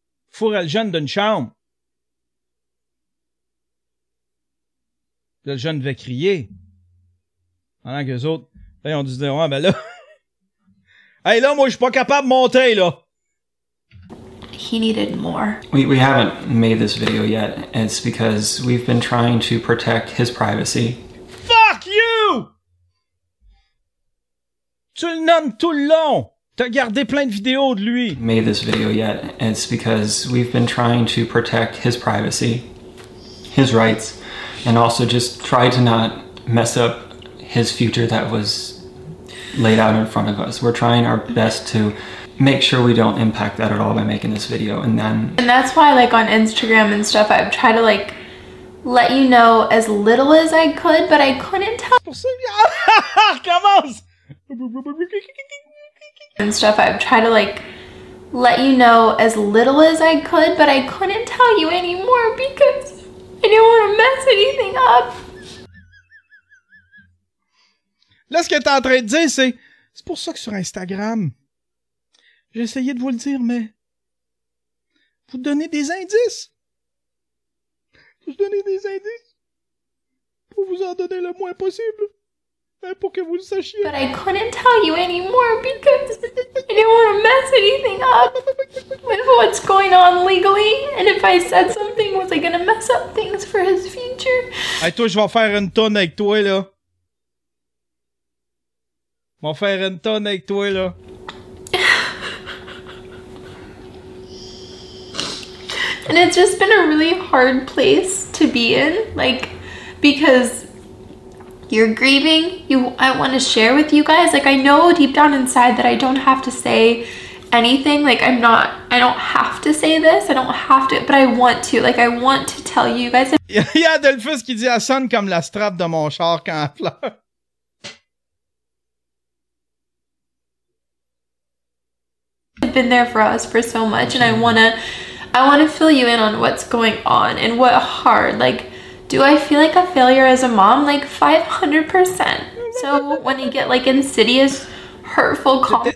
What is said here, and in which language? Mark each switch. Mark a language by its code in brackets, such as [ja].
[fr] Fourrait le jeune d'une chambre. Puis le jeune devait crier. Pendant que les autres, là, ils ont dû se dire, ouais, ben là. Hey, là, moi, je suis pas capable de monter, là. [en] He needed more. We haven't made this video yet. It's because we've been trying to protect his privacy. Fuck you! [fr] Tu le nommes tout le long. T'as gardé plein de vidéos de lui. [en] Made this video yet? It's because we've been trying to protect his privacy, his rights, and also just try to not mess up his future that was laid out in front of us. We're trying our best to make sure we don't impact that at all by making this video. And then, and that's why, like, on Instagram and stuff, I've tried to, like, let you know as little as I could, but I couldn't tell. I couldn't tell you anymore because I didn't want to mess anything up. [fr] Là, ce que t'es en train de dire, c'est pour ça que sur Instagram, j'ai essayé de vous le dire, mais vous donnez des indices. Vous donnez des indices pour vous en donner le moins possible, hein, pour que vous le sachiez. [en] But I couldn't tell you anymore because I didn't want to mess anything up with what's going on legally. And if I said something, was I going to mess up things for his future? [fr] Hey, toi, je vais faire une tonne avec toi, là. Je vais faire une tonne avec toi, là. [en] And it's just been a really hard place to be in, like, because you're grieving. I want to share with you guys. Like, I know deep down inside that I don't have to say anything. Like, I don't have to say this. I don't have to, but I want to. Like, I want to tell you guys. [fr] Il y a Adelphus qui dit, elle sonne comme la strap de mon char quand elle pleure. [en] Been there for us for so much, and I want to fill you in on what's going on and what hard, like, do I feel like a failure as a mom? Like, 500%. So when you get, like, insidious, hurtful